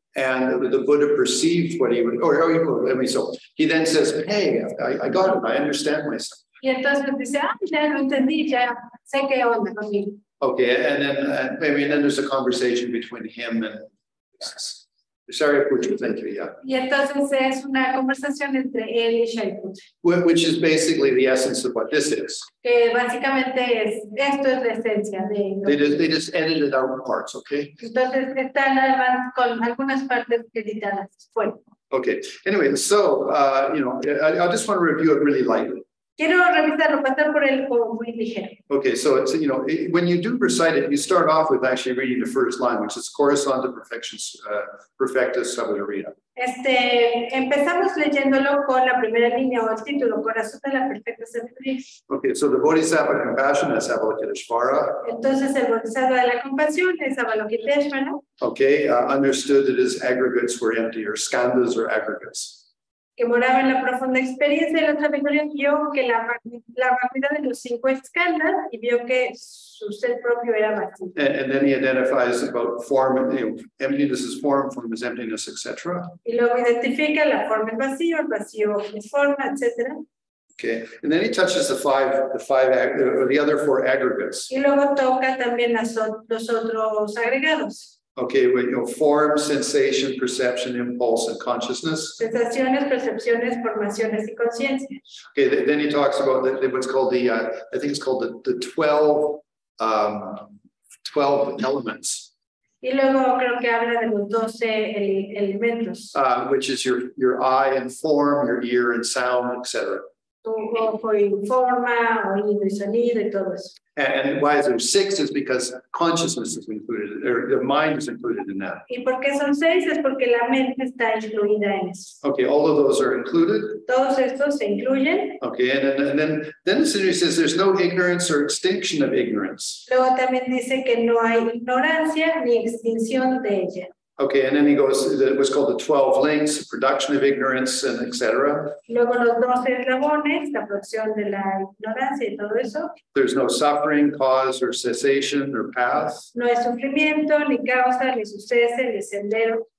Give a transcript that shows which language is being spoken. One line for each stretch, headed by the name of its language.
English: And the Buddha perceived what he would, so he then says, hey, I got it, I understand myself.
Spanish: Y entonces dice, ya lo entendí, ya sé qué onda conmigo.
English: Okay, and then maybe then there's a conversation between him and Sariputra, thank you, yeah.
Spanish: Y entonces es una conversación entre él y Sariputra.
English: Which is basically the essence of what this is.
Spanish: Que básicamente es, esto es la esencia de...
English: They just edited out parts, okay?
Spanish: Entonces están con algunas partes editadas. Bueno.
English: Okay, anyway, so, I just want to review it really lightly.
Spanish: Quiero revisarlo, pasar por él muy ligero.
English: Okay, so it's, when you do recite it, you start off with actually reading the first line, which is Coruscant Perfectus Sabiduria.
Spanish: Empezamos leyéndolo con la primera línea o el título, Corazón de la Perfecta Sabiduría.
English: Okay, so the Bodhisattva Compassion is Avalokiteshvara.
Spanish: Entonces el Bodhisattva de la Compasión es Avalokiteshvara.
English: Okay, understood that his aggregates were empty, or skandhas or aggregates.
Spanish: Que moraba en la profunda experiencia de la sabiduría y vio que la vacuidad de los cinco escalas y vio que su ser propio era vacío.
English: And then he identifies about form, emptiness is form, form is emptiness, etc.
Spanish: Y luego identifica la forma es vacío, el vacío es forma, etc.
English: Okay, and then he touches the other four aggregates.
Spanish: Y luego toca también los otros agregados.
English: Okay, well, form, sensation, perception, impulse, and consciousness.
Spanish: Sensaciones, percepciones, formaciones, y conciencias.
English: Okay, then he talks about what's called the 12, 12 elements.
Spanish: Y luego creo que habla de los 12 elementos.
English: Which is your eye and form, your ear and sound, etc. And why is there six? Is because consciousness is included, or the mind is included in that.
Spanish: Y por qué son seis es porque la mente está incluida en eso.
English: Okay, all of those are included.
Spanish: Todos estos se incluyen.
English: Okay, and then the sutra says there's no ignorance or extinction of ignorance.
Spanish: Luego también dice que no hay ignorancia ni extinción de ella.
English: Okay, and then he goes, it was called the 12 links, production of ignorance, and etc.
Spanish: Luego los 12 eslabones, la producción de la ignorancia y todo eso.
English: There's no suffering, cause, or cessation, or path.
Spanish: No hay sufrimiento, ni causa, ni suceso, ni sendero.